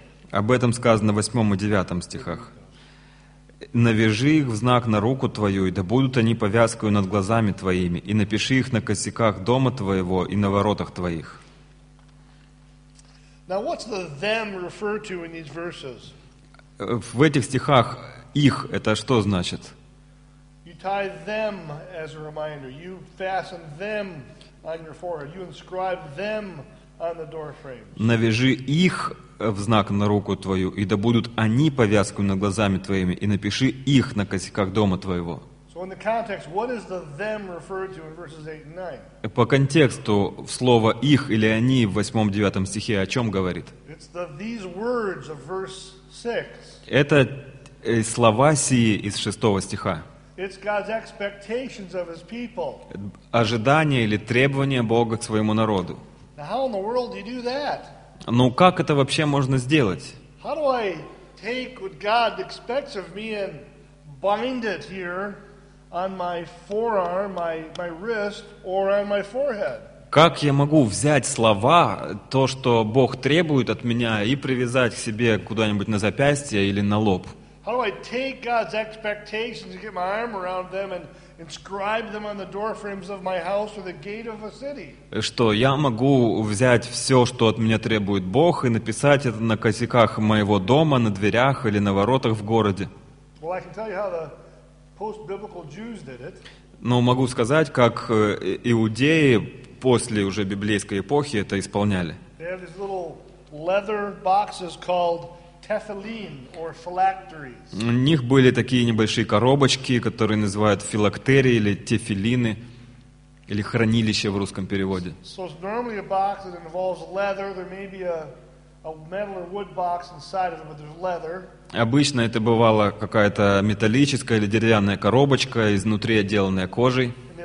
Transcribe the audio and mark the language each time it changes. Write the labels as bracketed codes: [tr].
[ru] Об этом сказано в 8 и 9 стихах. «Навяжи их в знак на руку твою, и да будут они повязкою над глазами твоими, и напиши их на косяках дома твоего и на воротах твоих». [en] Now, what's the them refer to in these verses? [ru] В этих стихах «их» — это что значит? [en] You tie them as a reminder. You fasten them on your forehead. You inscribe them on the door frames. [ru] «Навяжи их в знак на руку твою, и да будут они повязкой над глазами твоими, и напиши их на косяках дома твоего». [en] So in the context, what is the them referred to in verses 8 and 9? [ru] По контексту, слово «их» или «они» в 8-9 стихе о чем говорит? [en] It's the these words of verse 6. [ru] Это слова сии из 6 стиха. [en] It's God's expectations of his people. [ru] Ожидания или требования Бога к своему народу. [en] Now how in the world do you do that? [ru] Ну как это вообще можно сделать? [en] How do I take what God expects of me and bind it here on my forearm, my wrist, or on my forehead? [ru] Как я могу взять слова, то, что Бог требует от меня, и привязать к себе куда-нибудь на запястье или на лоб? [en] How do I take God's expectations and get my arm around them and inscribe them on the door frames of my house or the gate of a city? [ru] Что я могу взять все, что от меня требует Бог, и написать это на косяках моего дома, на дверях или на воротах в городе? [en] Well, I can tell you how the post-biblical Jews did it. [ru] Но могу сказать, как иудеи после уже библейской эпохи это исполняли. [en] They have these little leather boxes called tefillin or phylacteries. [ru] У них были такие небольшие коробочки, которые называют филактерии или тефилины, или хранилище в русском переводе. [en] So it's normally a box that involves leather. There may be a metal or wood box inside of it, but there's leather. [ru] Обычно это бывала какая-то металлическая или деревянная коробочка, изнутри отделанная кожей.